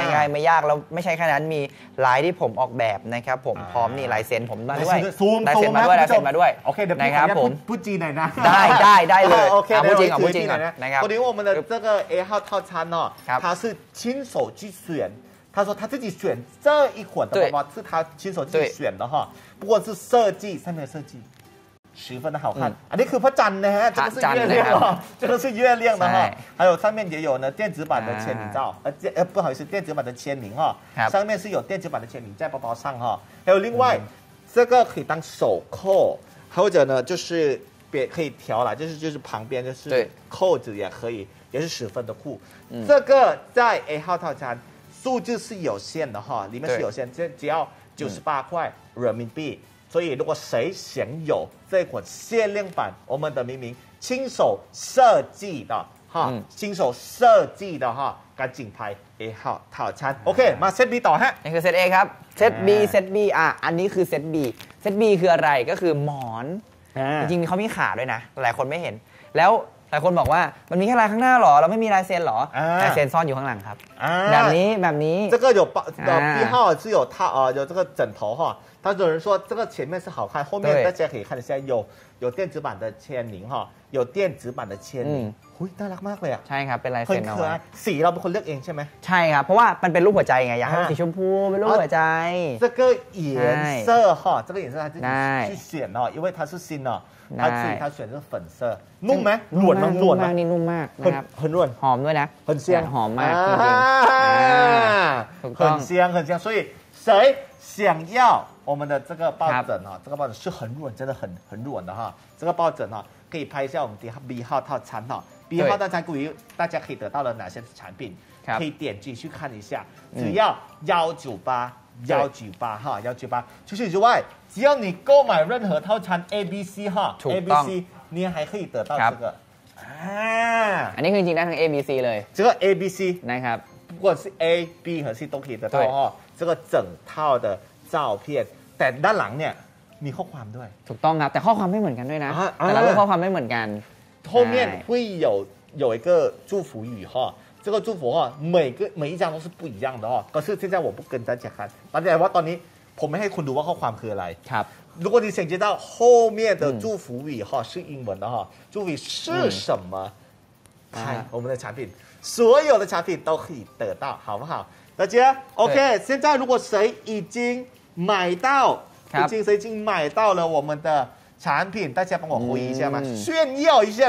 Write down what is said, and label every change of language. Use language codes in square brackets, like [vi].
[th] ายๆไม่ยากแล้วไม่ใช่แค่นั้นมีลายที่ผมออกแบบนะครับผมพร้อมนี่ลายเซ็นผมมาด้วย ซูม เซ็นมาด้วยลายเซ็นมาด้วย โอเคเดี๋ยวผมพูดจีนหน่อยนะ ได้เลย โอเค พูดจีนกับพูดจีนหน่อยนะครับ ตอนนี้ [zh] 我们的这个 A 号套餐เนาะ它是亲手去选他说他自己选这一款的包包是他亲手自己选的哈不过是设计上面的设计十分的好看，这个是月亮的哈，这个是月亮的哈，还有上面也有呢电子版的签名照，不好意思，电子版的签名哈，上面是有电子版的签名在包包上哈，还有另外，这个可以当手扣，或者呢就是别可以调了，就是旁边就是扣子也可以，也是十分的酷。这个在 A 号套餐数字是有限的哈，里面是有限，只要98块人民币。所以如果谁想有这款限量版我们的明明亲手设计的哈，亲手设计的哈，赶紧拍 A 号套餐，OK [th] มาเซต B ต่อฮะ นี่คือเซต A ครับเซต B เซต B อันนี้คือเซต B เซต B คืออะไรก็คือหมอนจริงๆเขามีขาด้วยนะหลายคนไม่เห็นแล้วหลายคนบอกว่ามันมีแค่ลายข้างหน้าหรอเราไม่มีลายเซ็นหร อ ลายเซ็นซ่อนอยู่ข้างหลังครับแบบนี้ [zh] 这个有包B号是有套有这个枕头哈他有人说这个前面是好看后面大家可以看一下有电子版的签名哈有电子版的签名 [th] หุ้ยน่ารักมากเลยอ่ะ ใช่ครับเป็นลายเซ็นเอา สีเราเป็นคนเลือกเองใช่ไหม ใช่ครับเพราะว่ามันเป็นรูปหัวใจไงอยากให้สีชมพูเป็นรูปหัวใจ สกีเอ็นเซอร์ฮะสกีเอ็นเซอร์ที่ใช้เสียงเนาะ [zh] 因为它是新的它自己它选的粉色 [th] นุ่มไหมนุ่มมาก นี่นุ่มมาก นะครับนุ่ม หอมด้วยนะ หอมเสียง หอมมาก จริงๆหอมเสียง [zh] 所以谁想要我们的这个抱枕哦，这个抱枕是很软，真的很软的哈。这个抱枕哦，可以拍一下我们的 B 号套餐哦。B 号套餐，关于大家可以得到了哪些产品，可以点击去看一下。只要198哈，198。除此之外，只要你购买任何套餐 A、B、C 哈 ，A、B、C， 你还可以得到这个。 [th] 啊，อันนี้คือจริงได้ทั้ง A、B、C เลย。 [zh] 这个 A、B、C， [th] 那ครับ， [zh] 不管是 A、B 和 C 都可以得到哈。这个整套的。 [th] 照片แต่ด้านหลังเนี่ยมีข้อความด้วย ถูกต้องครับแต่ข้อความไม่เหมือนกันด้วยนะแต่ละข้อความไม่เหมือนกัน ทั้งเนี่ย [zh] 会有一个祝福语哈这个祝福哈每一张都是不一样的哈可是现在我不跟大家看大家 [th] ว่าตอนนี้ผมไม่ให้คุณดูว่าข้อความคืออะไร ครับ [zh] 如果你想知道后面的祝福语哈是英文的哈祝福是什么看我们的产品所有的产品都可以得到好不好大家 OK 现在如果谁已经买到，已经买到了我们的产品，大家帮我回忆一下嘛，炫耀一下。